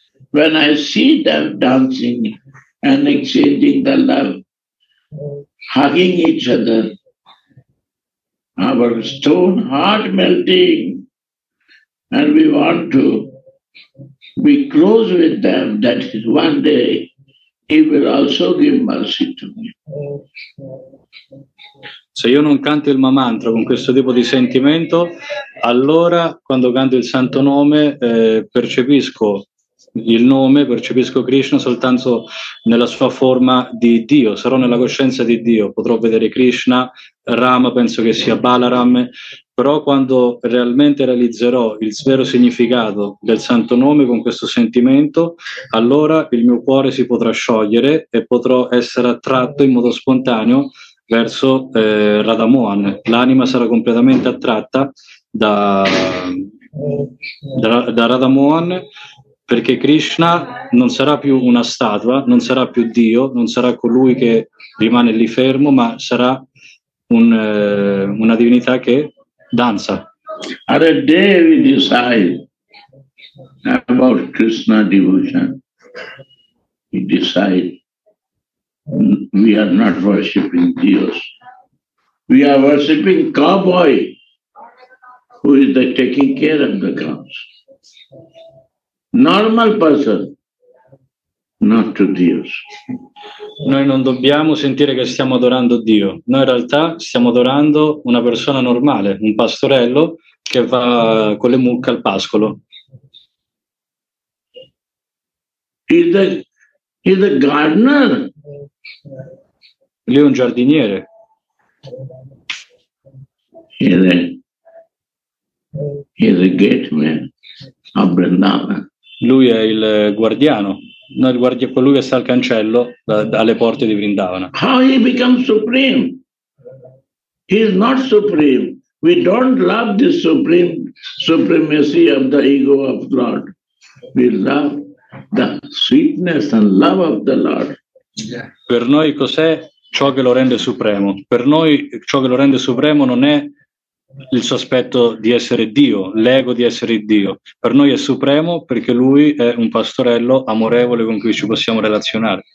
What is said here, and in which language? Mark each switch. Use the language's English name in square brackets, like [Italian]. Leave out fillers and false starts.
[English] When I see them dancing and exchanging the love, hugging each other, our stone heart melting, and we want to be close with them, that is one day He will also give mercy to me. [Italian] Se io non canto il mantra con questo tipo di sentimento, allora quando canto il santo nome percepisco il nome, percepisco Krishna soltanto nella sua forma di Dio, sarò nella coscienza di Dio, potrò vedere Krishna, Rama, penso che sia Balaram, però quando realmente realizzerò il vero significato del santo nome con questo sentimento, allora il mio cuore si potrà sciogliere e potrò essere attratto in modo spontaneo verso Radha Mohan. L'anima sarà completamente attratta da Radha Mohan, perché Krishna non sarà più una statua, non sarà più Dio, non sarà colui che rimane lì fermo, ma sarà una divinità che danza. [English] At a day we decide about Krishna devotion, we decide we are not worshipping Dios. We are worshipping cowboy who is the taking care of the cows. Normal person, not to Dios. [Italian] Noi non dobbiamo sentire che stiamo adorando Dio. Noi in realtà stiamo adorando una persona normale, un pastorello che va con le mucche al pascolo. [English] He's a gardener. [Italian] Lui è un giardiniere. [English] He's a gateman of Vrindavan. [Italian] Lui è il guardiano, no, il guardia, colui che sta al cancello alle porte di Vrindavana. [English] How he becomes supreme? He is not supreme. We don't love the supremacy of the ego of Lord. We love the sweetness and love of the Lord. [Italian] Per noi cos'è ciò che lo rende supremo? Per noi ciò che lo rende supremo non è il suo aspetto di essere Dio, l'ego di essere Dio. Per noi è supremo perché lui è un pastorello amorevole con cui ci possiamo relazionare.